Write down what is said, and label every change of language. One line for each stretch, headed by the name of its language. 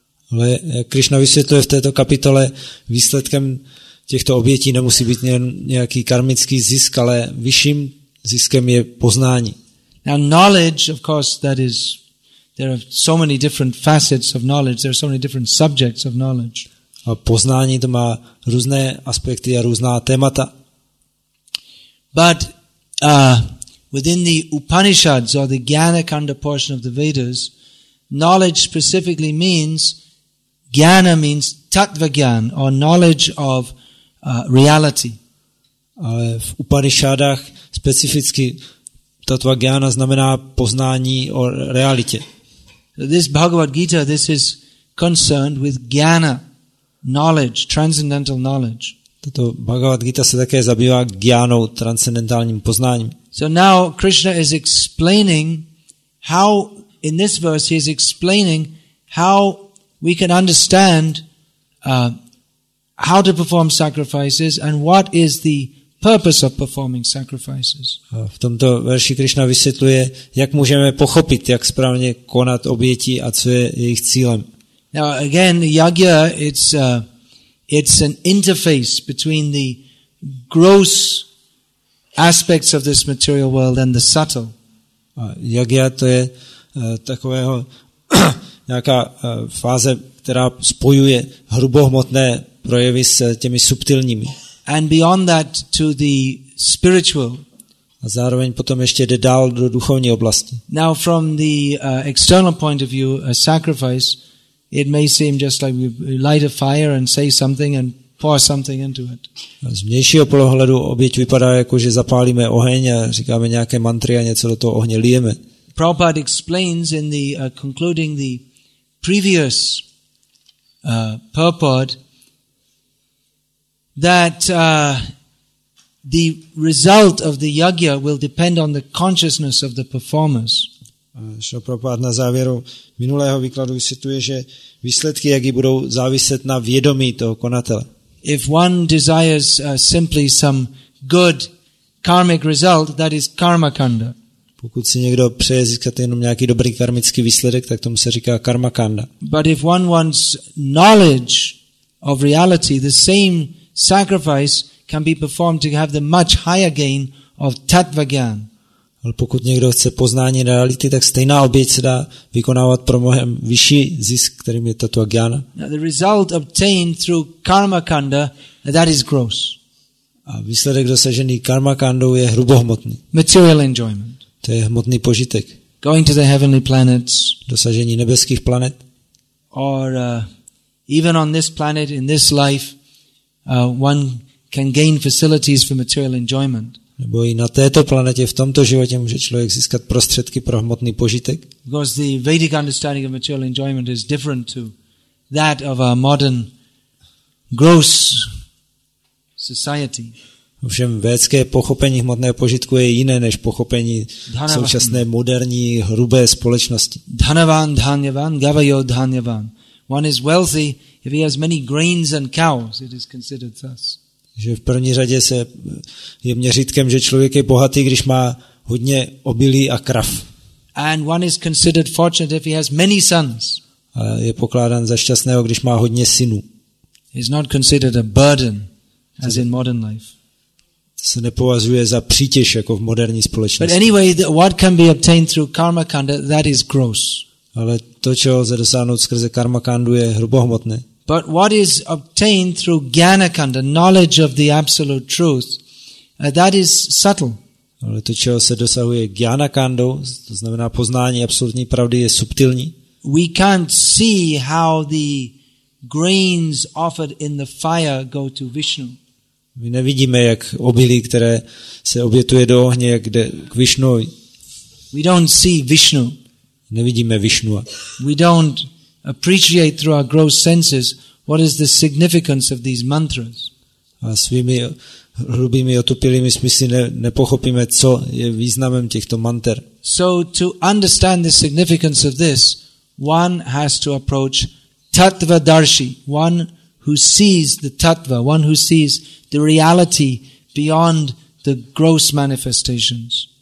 Czech: Ale Krishna vysvětluje v této kapitole, výsledkem těchto obětí nemusí být jen nějaký karmický zisk, ale vyšším ziskem je poznání.
English: Now knowledge, of course, that is, there are so many different facets of knowledge, there are so many different subjects of knowledge.
Czech: A poznání to má různé aspekty a různá témata.
English: But within the Upanishads or the Gyanakanda portion of the Vedas, knowledge specifically means, Gyana means tattvagyan, or knowledge of reality.
Czech: Ale v Upanishadách specificky tattvagyana znamená poznání o realitě.
English: So this Bhagavad Gita, this is concerned with Gyana, knowledge, transcendental knowledge.
Czech: Toto Bhagavad Gita se také zabývá gyanou, transcendentálním poznáním.
English: So now Krishna is explaining how, in this verse, he is explaining how we can understand how to perform sacrifices and what is the purpose of performing sacrifices.
Czech: V tomto verši Krishna vysvětluje, jak můžeme pochopit, jak správně konat oběti a co je jejich cílem.
English: Now again, yagya, it's an interface between the gross aspects of this material world and the subtle.
Czech: Yagya to je takového nějaká fáze, která spojuje hrubohmotné projevy s těmi subtilními.
English: And beyond that to the spiritual.
Czech: A zároveň potom ještě jde dál do duchovní oblasti.
English: Now from the external point of view, a sacrifice, it may seem just like we light a fire and say something and pour something into it.
Czech: Z vnějšího pohledu oběť vypadá jako, že zapálíme oheň a říkáme nějaké mantry a něco do toho ohně lijeme.
English: Prabhupada explains in the concluding the previous purport that the result of the yagya will depend on the consciousness of the performers.
Czech: Šo Prabhupada na závěru minulého výkladu vysvětluje, že výsledky jagy budou záviset na vědomí toho konatele.
English: If one desires simply some good karmic result, that is karmakanda.
Czech: Pokud si někdo přeje získat jenom nějaký dobrý karmický výsledek, tak tomu se říká karmakanda.
English: But if one wants knowledge of reality, the same sacrifice can be performed to have the much higher gain of tattvagyan.
Czech: Ale pokud někdo chce poznání reality, tak stejná oběť se dá vykonávat pro mnohem vyšší zisk, kterým je tattvagyana.
English: The result obtained through karmakanda, that is gross.
Czech: A výsledek dosažený karmakandou je hrubohmotný.
English: Material enjoyment.
Czech: To je hmotný požitek.
English: Going to the heavenly planets.
Czech: Dosažení nebeských planet.
English: Or even on this planet, in this life, one can gain facilities for material enjoyment.
Czech: Nebo i na této planetě, v tomto životě, může člověk získat prostředky pro hmotný požitek.
English: Because the Vedic understanding of material enjoyment is different to that of our modern gross society.
Czech: Ovšem védské pochopení hmotného požitku je jiné než pochopení dhanavan. Současné moderní hrubé společnosti.
Sanskrit: Dhanavan, dhanyavan, gavayo, dhanyavan.
English: One is wealthy if he has many grains and cows, it is considered thus.
Czech: Že v první řadě se je měřítkem, že člověk je bohatý, když má hodně obilí a krav.
English: And one is considered fortunate if he has many sons.
Czech: A je pokládán za šťastného, když má hodně synů.
English: He is not considered a burden as in modern life.
Czech: Se nepovažuje za přítěž jako v moderní společnosti.
English: But anyway, what can be obtained through karmakanda, that is gross.
Czech: Ale to, čeho lze dosáhnout skrze karmakandu, je hrubohmotné.
English: But what is obtained through gyanakanda, knowledge of the absolute truth, that is subtle.
Czech: Ale to, čeho se dosahuje gyanakandou, to znamená poznání absolutní pravdy, je subtilní.
English: We can't see how the grains offered in the fire go to Vishnu.
Czech: My nevidíme, jak obilí, které se obětuje do ohně, jak jde k Vishnu.
English: We don't see Vishnu.
Czech: Nevidíme Vishnu.
English: We don't appreciate through our gross senses what is the significance of these mantras.
Czech: svými hrubými otupilými smysly nepochopíme, co je významem těchto manter.
English: So to understand the significance of this, one has to approach tattva darshi, one who sees the tattva, one who sees the reality beyond the gross manifestations.